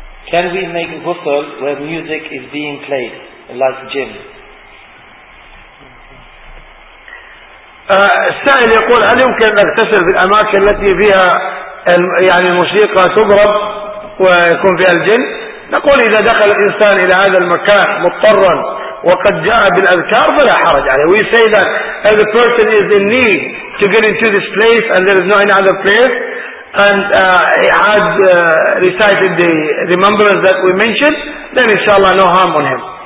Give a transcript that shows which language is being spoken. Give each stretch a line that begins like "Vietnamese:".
English: Can we make a ghusl where music is being played, like gym?
Arabic: السائل يقول هل يمكن أن أغتسل في الأماكن التي فيها يعني الموسيقى تضرب ويكون فيها الجن؟ نقول إذا دخل الإنسان إلى هذا المكان مضطرا وقد جاء بالأذكار فلا حرج عليه.
English: We say that if the person is in need to get into this place and there is no other place and he had recited the remembrance that we mentioned, then inshallah no harm on him.